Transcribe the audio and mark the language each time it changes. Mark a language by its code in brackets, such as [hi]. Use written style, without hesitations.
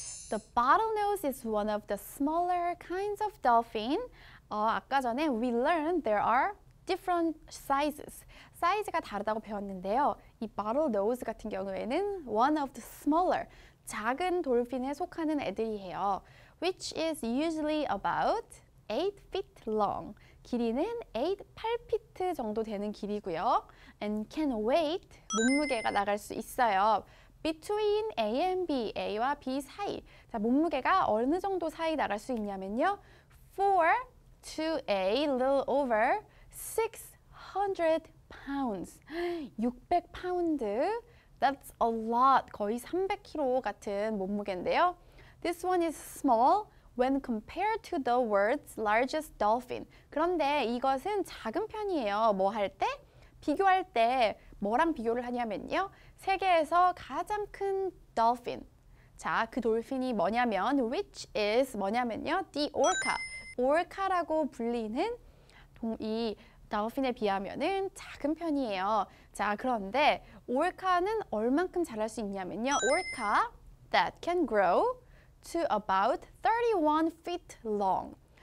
[en] The bottlenose is one of the smaller kinds of dolphin. [ko] 아까 전에 [en] we learned there are different sizes. [ko] 사이즈가 다르다고 배웠는데요. 이 bottlenose 같은 경우에는 [en] one of the smaller, [ko] 작은 돌핀에 속하는 애들이에요. [en] Which is usually about 8 feet long. [ko] 길이는 8피트 정도 되는 길이고요. [en] And can weight, [ko] 몸무게가 나갈 수 있어요. [en] Between A and B, [ko] A와 B 사이. 자, 몸무게가 어느 정도 사이 나갈 수 있냐면요. [en] 4 to A, little over 600 pounds. [ko] 600파운드, [en] that's a lot. [ko] 거의 300kg 같은 몸무게인데요. [en] This one is small when compared to the world's largest dolphin. [ko] 그런데 이것은 작은 편이에요. 뭐 할 때? 비교할 때 뭐랑 비교를 하냐면요. 세계에서 가장 큰 dolphin. 자, 그 돌핀이 뭐냐면 [en] which is [ko] 뭐냐면요. [en] The orca. [ko] Orca라고 불리는 이 Dolphin에 비하면은 작은 편이에요. 자, 그런데 오르카는 얼만큼 자랄 수 있냐면요. [en] Orca that can grow to about 31 feet long.